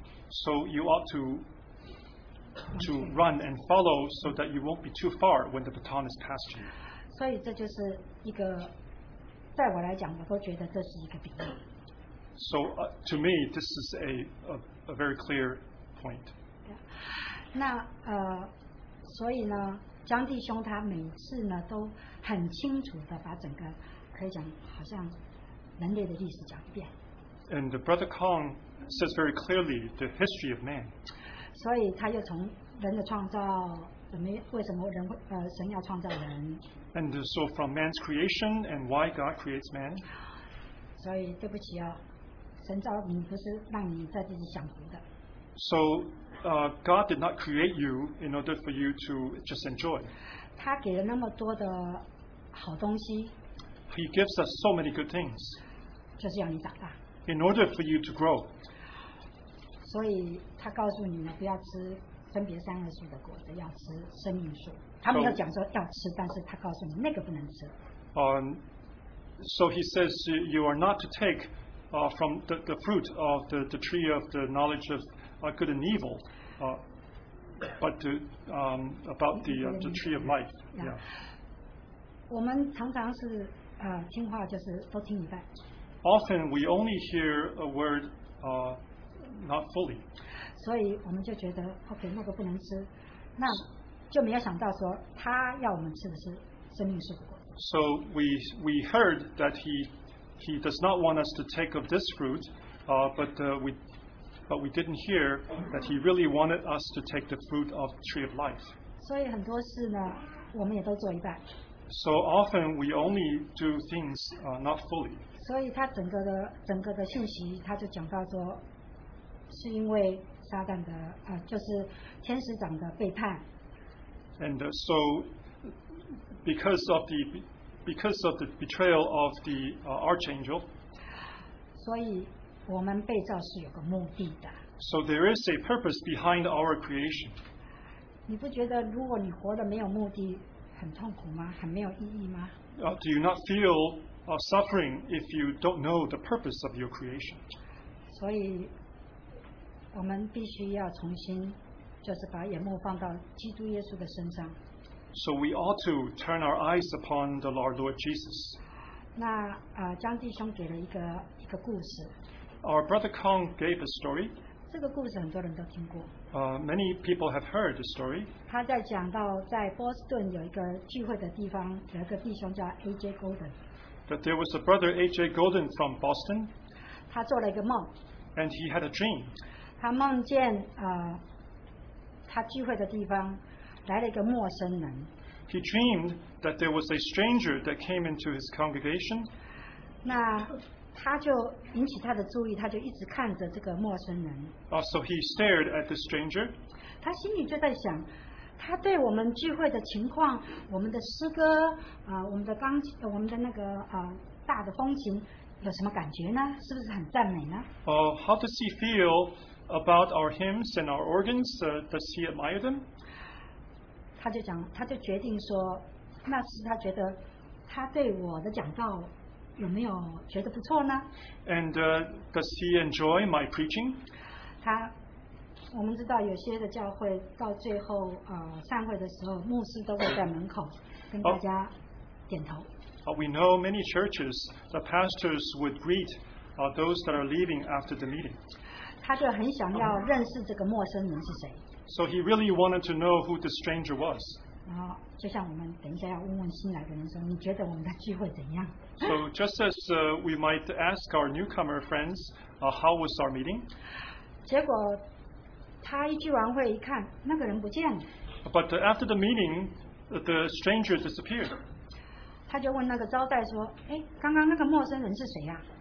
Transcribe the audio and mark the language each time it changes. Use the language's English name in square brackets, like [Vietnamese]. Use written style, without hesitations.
[English] So you ought to run and follow so that you won't be too far when the baton is passed you. [Chinese] 所以这就是一个，在我来讲，我都觉得这是一个比喻。 [English] So to me, this is a very clear point. [Chinese] 那所以呢，江弟兄他每次呢都很清楚的把整个可以讲好像人类的历史讲一遍。 [English] And the Brother Kong says very clearly the history of man. [Chinese] 所以他又从人的创造。为什么人神要创造人？ [English] And so from man's creation and why God creates man? [Chinese] 所以对不起哦，神造你不是让你在自己享福的。 [English] So, God did not create you in order for you to just enjoy. [Chinese] 他给了那么多的好东西。 [English] He gives us so many good things. [Chinese] 就是要你长大。 [English] In order for you to grow. [Chinese] 所以他告诉你们不要吃分别三恶树的果子，要吃生命树。他没有讲说要吃，但是他告诉你那个不能吃。 [English] So he says you are not to take from the fruit of the tree of the knowledge of good and evil, but to, about the tree of life. Yeah. [Chinese] 我们常常是听话，就是都听一半。 [English] Often we only hear a word, not fully. [Chinese] 所以我们就觉得 OK 那个不能吃，那就没有想到说他要我们吃的是生命树。 [English] So we heard that he does not want us to take of this fruit, but we didn't hear that he really wanted us to take the fruit of the tree of life. [Chinese] 所以很多事呢，我们也都做一半。 [English] So often we only do things not fully. [Chinese] 所以他整个的信息，他就讲到说，是因为撒旦的就是天使长的背叛。 [English] And so. Because of the betrayal of the archangel, [Chinese] 所以我们被造是有个目的的。 [English] So there is a purpose behind our creation. [Chinese] 你不觉得如果你活得没有目的，很痛苦吗？很没有意义吗？ [English] Do you not feel suffering if you don't know the purpose of your creation? [Chinese] 所以我们必须要重新，就是把眼目放到基督耶稣的身上。 [English] So we ought to turn our eyes upon the Lord Jesus. [Chinese] 那江弟兄给了一个故事。 [English] Our brother Kong gave a story. [Chinese] 这个故事很多人都听过。 [English] Many people have heard the story. [Chinese] 他在讲到在波士顿有一个聚会的地方，有一个弟兄叫 A.J. [English] Golden. That there was a brother A.J. Golden from Boston. [Chinese] 他做了一个梦。 [English] And he had a dream. [Chinese] 他梦见他聚会的地方。来了一个陌生人。 [English] He dreamed that there was a stranger that came into his congregation. [Chinese] 那他就引起他的注意，他就一直看着这个陌生人。 [English] So he stared at the stranger. [Chinese] 他心里就在想，他对我们聚会的情况，我们的诗歌，我们的钢琴，我们的那个大的风琴有什么感觉呢？是不是很赞美呢？ [English] How does he feel about our hymns and our organs? Does he admire them? [Chinese] 他就讲，他就决定说，那是他觉得他对我的讲道有没有觉得不错呢 [English] ？And does he enjoy my preaching？ [Chinese] 他，我们知道有些的教会到最后散会的时候，牧师都会在门口跟大家点头。 [English] We know many churches the pastors would greet those that are leaving after the meeting。 [Chinese] 他就很想要认识这个陌生人是谁。 [English] So he really wanted to know who the stranger was. [Chinese] 就像我们等一下要问问新来的人说，你觉得我们的聚会怎样？ [English] So just as we might ask our newcomer friends, how was our meeting? [Chinese] 结果他一聚完会一看，那个人不见了。 [English] But after the meeting, the stranger disappeared. [Chinese] 他就问那个招待说，哎，刚刚那个陌生人是谁呀？